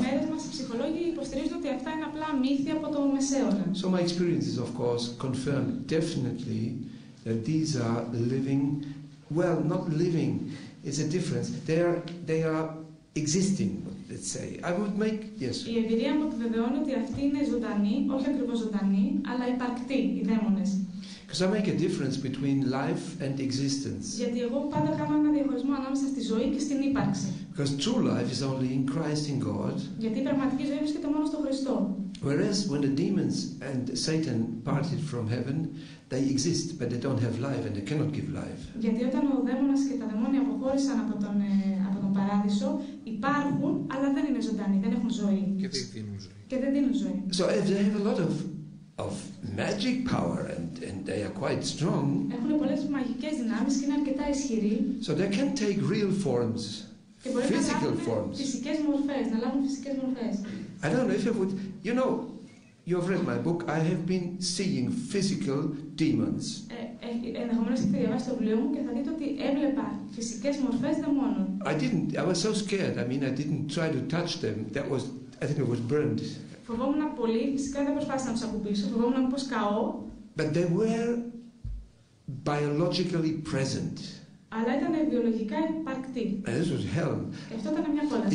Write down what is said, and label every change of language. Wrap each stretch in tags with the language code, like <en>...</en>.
<en>So my experiences, of course, confirm definitely that these are living. Well, not living. It's a difference. They are existing. Let's say I would make yes.</en> <el>Η εμπειρία μου επιβεβαιώνει ότι αυτοί είναι ζωντανοί, όχι ακριβώς ζωντανοί, αλλά υπαρκτοί οι δαίμονες.</el> <en>Because I make a difference between life and existence.</en> <el>Γιατί εγώ πάντα κάνω ένα διαχωρισμό ανάμεσα στη ζωή και στην ύπαρξη.</el> <en>Because true life is only in Christ, in God.</en> <el>Γιατί η πραγματική ζωή βρίσκεται μόνο στον Χριστό.</el> <en>Whereas when the demons and Satan parted from heaven, they exist, but they don't have life and they cannot give life.</en> <el>Γιατί όταν ο δαίμονας και τα δαιμόνια αποχώρησαν από τον παράδεισο, υπάρχουν, αλλά δεν είναι ζωντανοί, δεν έχουν ζωή. Και δεν δίνουν ζωή.</el> <en>So if they have a lot of magic power and they are quite strong.</en> <el>Έχουν πολλές μαγικές δυνάμεις και είναι αρκετά ισχυροί.</el> <en>So they can take real forms, physical forms.</en> <el>Φυσικές μορφές, να λάβουν φυσικές μορφές.</el> <en>I don't know if I would, you know, you have read my book. I have been seeing physical demons.</en> <el>Ενδεχομένως έχετε διαβάσει το βιβλίο μου και θα δείτε ότι έβλεπα φυσικές μορφές δαιμόνων.</el> <en>I didn't. I was so scared. I mean, I didn't try to touch them. That was, I think, it was burned.</en> <el>Φοβόμουν πολύ, φυσικά δεν προσπάθησα να τους ακουμπήσω, φοβόμουν να μήπως καώ.</el> <en>But they were biologically present.</en> <el>Αλλά ήταν βιολογικά υπαρκτοί.</el> <en>And this was hell.</en> <el>Και αυτό ήταν μια κόλαση.</el>